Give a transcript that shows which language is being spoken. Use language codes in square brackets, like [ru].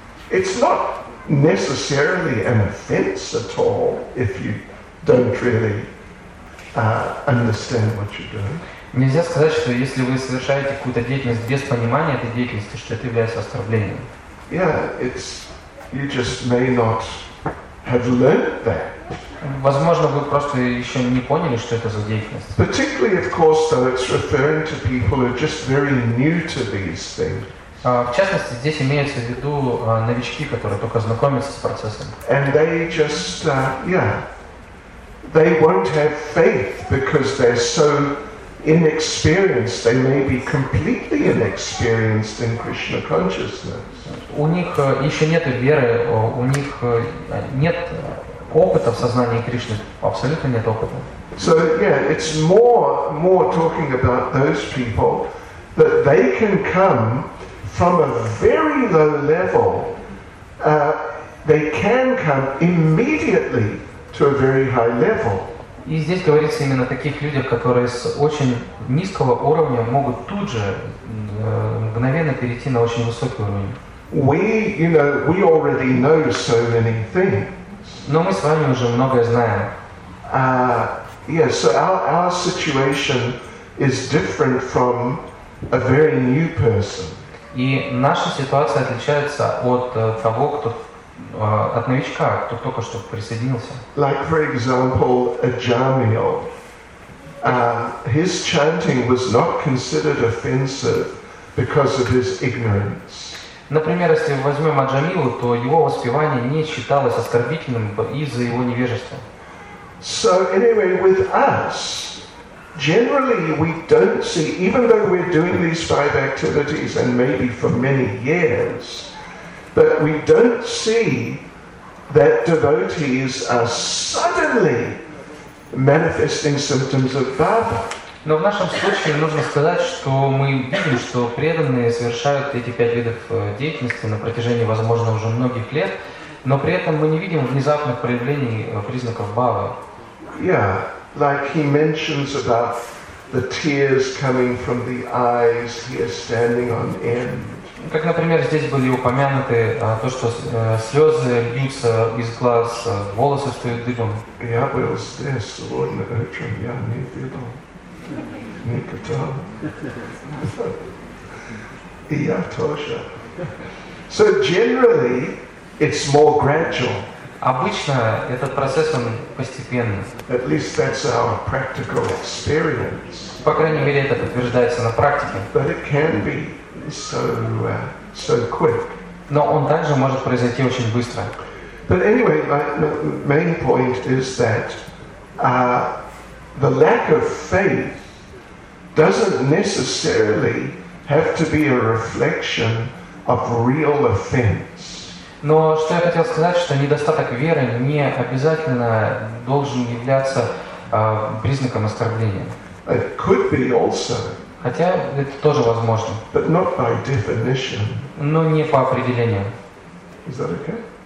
[en] It's not necessarily an offense at all if you don't really understand what you're doing. [ru] Нельзя сказать, что если вы совершаете какую-то деятельность без понимания этой деятельности, что это является оскорблением. [en] Yeah, it's you just may not have learned that. [ru] Возможно, вы просто еще не поняли, что это за деятельность. [en] Particularly, of course, though, it's referring to people who are just very new to these things. [ru] В частности, здесь имеется в виду новички, которые только знакомятся с процессом. [en] And they just, they won't have faith because they're so inexperienced. They may be completely inexperienced in Krishna consciousness. [ru] У них еще нет веры, у них нет опыта в сознании Кришны, абсолютно нет опыта. [en] So, yeah, it's more talking about those people that they can come from a very low level, they can come immediately to a very high level. [ru] И здесь говорится именно о таких людях, которые с очень низкого уровня могут тут же мгновенно перейти на очень высокий уровень. [en] We, you know, we already know so many things. [ru] Но мы с вами уже многое знаем. [en] So our situation is different from a very new person. [ru] И наша ситуация отличается от того, кто от новичка, кто только что присоединился. [en] Like, for example, Ajamil. His chanting was not considered offensive because of his ignorance. [ru] Например, если возьмем Аджамилу, то его воспевание не считалось оскорбительным из-за его невежества. [en] So anyway, with us, generally we don't see, even though we're doing these five activities and maybe for many years, but we don't see that devotees are suddenly manifesting symptoms of bhava. [ru] Но в нашем случае нужно сказать, что мы видим, что преданные совершают эти пять видов деятельности на протяжении, возможно, уже многих лет, но при этом мы не видим внезапных проявлений признаков бхавы. [en] Yeah, like he mentions about the tears coming from the eyes, he is standing on end. [ru] Как, например, здесь были упомянуты то, что слезы льются из глаз, волосы стоят дыбом. Я был здесь сегодня утром, я не видел. Никто. И я тоже. [en] So generally, it's more gradual. [ru] Обычно этот процесс, он постепенный. [en] At least that's our practical experience. [ru] По крайней мере, это подтверждается на практике. [en] But it can be so quick. [ru] Но он также может произойти очень быстро. [en] But anyway, my main point is that the lack of faith doesn't necessarily have to be a reflection of real offense. [ru] Но что я хотел сказать, что недостаток веры не обязательно должен являться признаком оскорбления. [en] It could be also. [ru] Хотя это тоже возможно. [en] But not by definition. [ru] Но не по определению. [en] Is that okay?